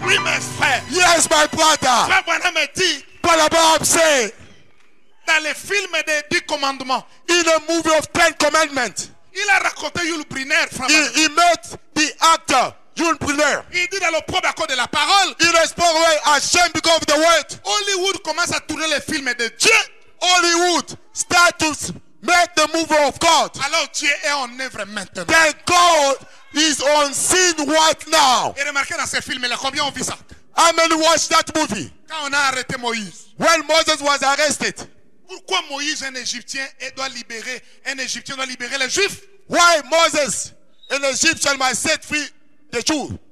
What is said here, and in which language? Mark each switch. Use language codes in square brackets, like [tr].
[fr] Oui, mes frères. [en] Yes, my brother. [fr] Frère Branham me dit. [en] Paul Abraham said. [fr] Dans les films des 10 commandements. [en] In a movie of 10 commandments. [fr] Il a raconté Yul Brynner. [en] He met the actor Yul Brynner. [fr] Il dit dans le propre accord de la parole. [en] He responds well, ashamed because of the word. [fr] Hollywood commence à tourner les films de Dieu. [en] Hollywood start to make the movie of God. [fr] Alors Dieu est en œuvre maintenant. [en] Then God is on scene right now. [fr] Et remarquez dans ces films, combien ont vu ça? [en] How many watched that movie? [fr] Quand on a arrêté Moïse. [en] When Moses was arrested. [fr] Pourquoi Moïse, un Égyptien, doit libérer les Juifs? [en] Why Moses, an Egyptian, must set free the Jews?